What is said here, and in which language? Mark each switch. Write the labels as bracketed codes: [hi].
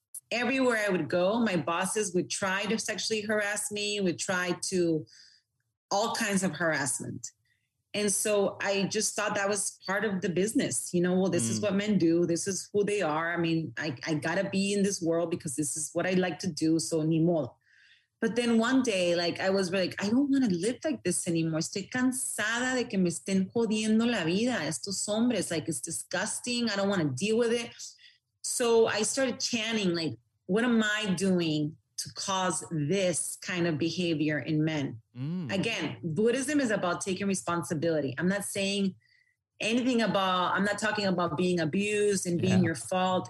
[en] Everywhere I would go, my bosses would try to sexually harass me, would try to all kinds of harassment. And so I just thought that was part of the business. You know, well, this is what men do. This is who they are. I mean, I got to be in this world because this is what I like to do. So [es] ni modo. [en] But then one day, like, I was like, I don't want to live like this anymore. [es] Estoy cansada de que me estén jodiendo la vida. Estos hombres, [en] like, it's disgusting. I don't want to deal with it. So I started chanting, like, what am I doing to cause this kind of behavior in men? Again, Buddhism is about taking responsibility. I'm not saying anything about, I'm not talking about being abused and being your fault.